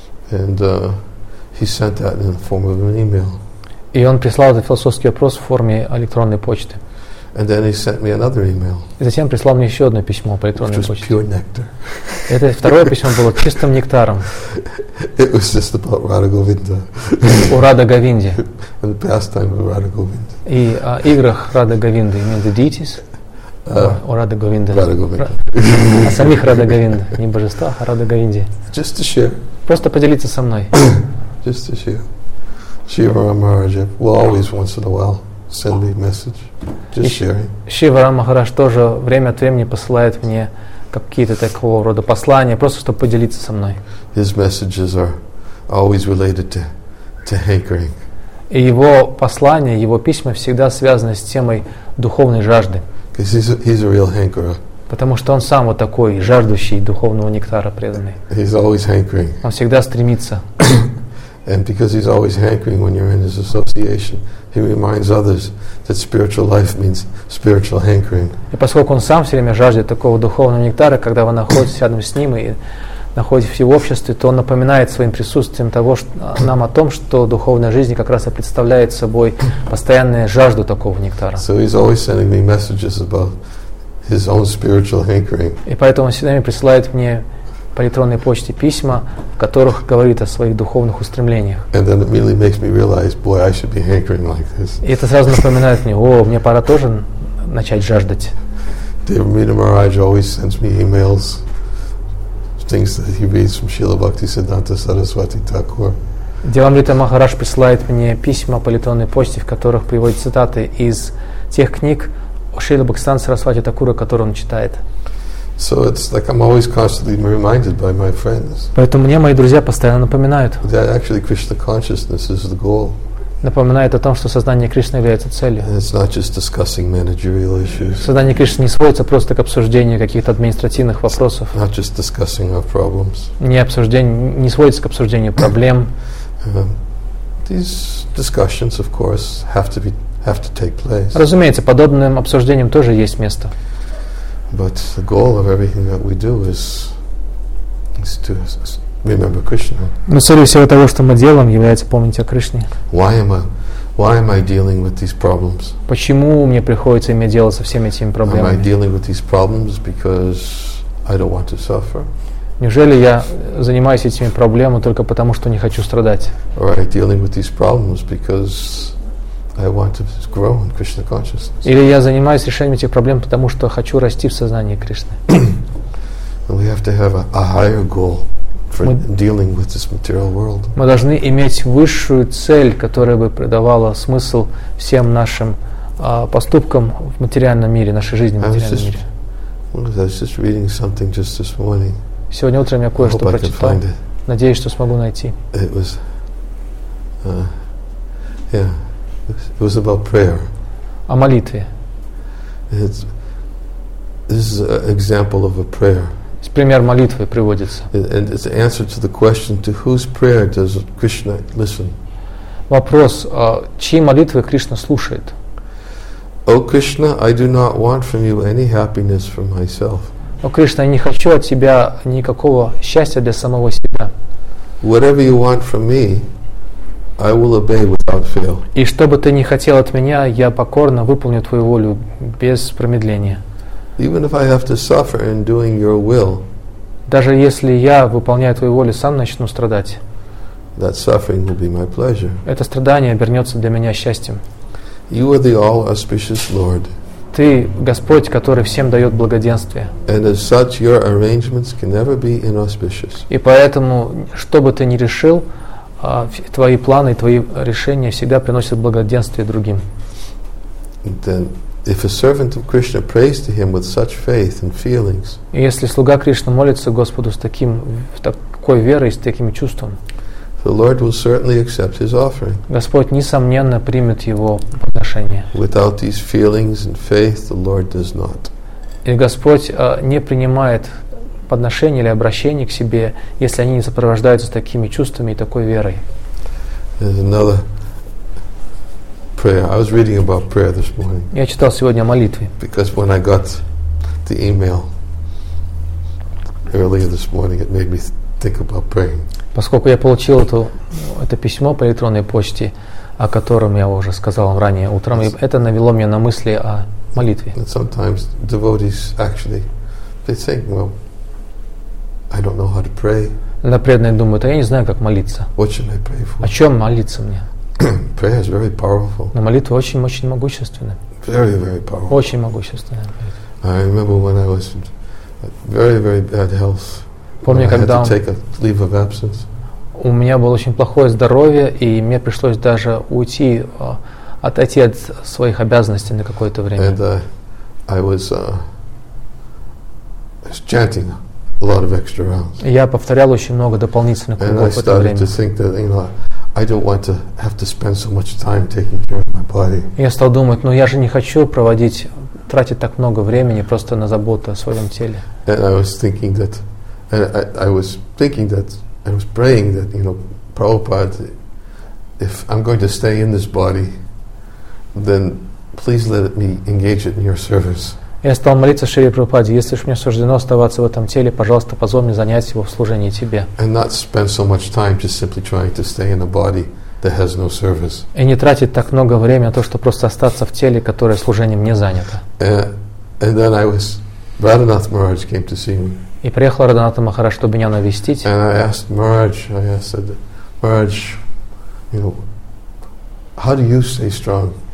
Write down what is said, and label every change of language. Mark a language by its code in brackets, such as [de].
[en] And he sent that in the form of an email. [ru] И он прислал этот философский вопрос в форме электронной почты. [en] And then he sent me another email. [ru] И затем прислал мне еще одно письмо по электронной почте. [en] Which was pure nectar. [ru] Это второе письмо было чистым нектаром. [en] It was just about Radha Govinda. [ru] О Радха Говинде. [en] And the pastime of Radha Govinda. [ru] И о играх Радха Говинды, [en] in the deities. [ru] О Радха Говинде. Радха Говинде. О самих Радха Говинде. Не божества, а Радха Говинде. [en] Just to share. [ru] Просто поделиться со мной. [en] Just to share. Shivara Maharaja will always once in a while send me a message. Just sharing. [ru] Shivara Maharaj тоже время от времени посылает мне какие-то такого рода послания, просто чтобы поделиться со мной. [en] His messages are always related to hankering. [ru] И его послания, его письма всегда связаны с темой духовной жажды. [en] Because he's a real hankerer. [ru] Потому что он сам вот такой жаждущий духовного нектара преданный. [en] He's always hankering. [ru] Он всегда стремится. [en] And because he's always hankering when you're in his association, he reminds others that spiritual life means spiritual hankering. [ru] И поскольку он сам все время жаждет такого духовного нектара, когда вы находитесь рядом с ним и находитесь в обществе, то он напоминает своим присутствием того, что, нам о том, что духовная жизнь как раз и представляет собой постоянную жажду такого нектара. [en] So he's always sending me messages about his own spiritual hankering. [ru] И поэтому он всегда присылает мне по электронной почте письма, в которых говорит о своих духовных устремлениях. [en] And then it really makes me realize, boy, I should be hankering like this. [ru] И это сразу напоминает мне, о, мне пора тоже начать жаждать. [en] Devamita Maharaj always sends me emails, things that he reads from Srila Bhaktisiddhanta Saraswati Thakur. [ru] Девамрита Махарадж присылает мне письма по электронной почте, в которых приводит цитаты из тех книг Шрилы Бхактисиддханты Сарасвати Такура, которые он читает. [en] So it's like I'm always constantly reminded by my friends. [ru] Поэтому мне мои друзья постоянно напоминают. [en] That actually Krishna consciousness is the goal. [ru] Напоминает о том, что сознание Кришны является целью. [en] And it's not just discussing managerial issues. [ru] Сознание Кришны не сводится просто к обсуждению каких-то административных вопросов. [en] Not just discussing our problems. [ru] Не сводится к обсуждению проблем. [en] These discussions, of course, have to take place. [ru] Разумеется, подобным обсуждениям тоже есть место. [en] But the goal of everything that we do is to remember Krishna. [ru] Но цель всего того, что мы делаем, является помнить о Кришне. [en] Why am I dealing with these problems? [ru] Почему мне приходится иметь дело со всеми этими проблемами? [en] Am I dealing with these problems because I don't want to suffer? [ru] Неужели я занимаюсь этими проблемами только потому, что не хочу страдать? [en] Or am I dealing with these problems because I want to grow in Krishna consciousness. [ru] Или я занимаюсь решением этих проблем, потому что хочу расти в сознании Кришны. [en] We have to have a higher goal for dealing with this material world. [ru] Мы должны иметь высшую цель, которая бы придавала смысл всем нашим поступкам в материальном мире, нашей жизни в материальном мире. [en] I was just reading something just this morning. [ru] Сегодня утром я кое-что прочитал. Надеюсь, что смогу найти. [en] It was, It was about prayer. [ru] О молитве. [en] This is an example of a prayer. [ru] Пример молитвы приводится. [en] And it's an answer to the question, to whose prayer does Krishna listen? [ru] Вопрос, чьей молитвы Кришна слушает? [en] O Krishna, I do not want from you any happiness for myself. [ru] О Кришна, я не хочу от тебя никакого счастья для самого себя. [en] Whatever you want from me, I will obey without fail. [ru] И что бы ты ни хотел от меня, я покорно выполню твою волю без промедления. [en] Even if I have to suffer in doing your will. [ru] Даже если я, выполняя твою волю, сам начну страдать. [en] That suffering will be my pleasure. [ru] Это страдание обернется для меня счастьем. [en] You are the all auspicious Lord. [ru] Ты Господь, который всем дает благоденствие. [en] And as such, your arrangements can never be inauspicious. [ru] И поэтому, что бы ты ни решил, твои планы и твои решения всегда приносят благоденствие другим. [en] Then, if a servant of Krishna prays to him with such faith and feelings, [ru] и если слуга Кришны молится Господу с таким, такой верой и с таким чувством, [en] the Lord will certainly accept his offering. [ru] Господь несомненно примет его подношение. [en] Without these feelings and faith, the Lord does not. [ru] И Господь не принимает подношение или обращение к себе, если они не сопровождаются такими чувствами и такой верой. [en] Prayer. I was reading about prayer this morning. [ru] Я читал сегодня о молитве. [en] Because when I got the email earlier this morning, it made me think about praying. [ru] Поскольку я получил это письмо по электронной почте, о котором я уже сказал вам ранее утром, и это навело меня на мысли о молитве. [en] And sometimes devotees actually they think, well, I don't know how to pray. [ru] Иногда преданные думают, а я не знаю, как молиться. [en] What should I pray for? [ru] О чем молиться мне? [en] Prayer is very powerful. [ru] Но молитва очень-очень могущественна. [en] Very, very powerful. [ru] Очень могущественная. [en] I remember when I was in very, very bad health. [ru] Помню, когда [en] I had to take a leave of absence. [ru] У меня было очень плохое здоровье, и мне пришлось даже уйти, отойти от своих обязанностей на какое-то время. [en] And I was chanting a lot of extra rounds. [ru] Я повторял очень много дополнительных кругов в это время. [en] And I started to think that, you know, I don't want to have to spend so much time taking care of my body. [ru] Я стал думать, ну я же не хочу тратить так много времени просто на заботу о своем теле. [en] And I was praying that, you know, Prabhupada, if I'm going to stay in this body, then please let me engage it in your service. [ru] Я стал молиться Шри Прабхупаде, если уж мне суждено оставаться в этом теле, пожалуйста, позволь мне занять его в служении тебе. [en] And not spend so much time just simply trying to stay in a body that has no service. [ru] И не тратить так много времени на то, чтобы просто остаться в теле, которое служением не занято. [en] And then Radhanath Maharaj came to see me. [ru] И приехал Радханатха Махарадж, чтобы меня навестить. [en] And I asked Maharaj, I said, Maharaj, you know, how do you stay strong?